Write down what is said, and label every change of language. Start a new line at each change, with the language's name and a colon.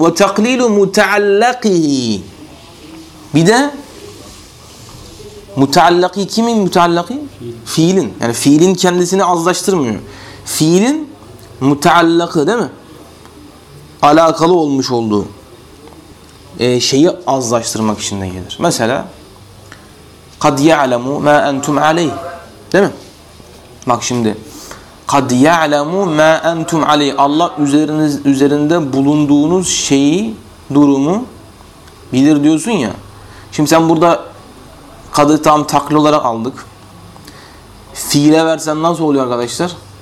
Turkish: Ve taklilu mutaallakihi. Bir de mutaallaki kimin mutaallaki? Fiilin. Yani fiilin kendisini azlaştırmıyor. Fiilin mutaallakı değil mi? Alakalı olmuş olduğu şeyi azlaştırmak için de gelir. Mesela
Arabic: قَدْ يَعْلَمُوا مَا أَنْتُمْ عَلَيْهِ
Turkish: değil mi? Bak şimdi
Arabic: قَدْ يَعْلَمُوا مَا أَنْتُمْ عَلَيْهِ
Turkish: Allah üzerinde bulunduğunuz şeyi, durumu bilir diyorsun ya. Şimdi sen burada kadı tam taklit olarak aldık. Fiile versen nasıl oluyor arkadaşlar?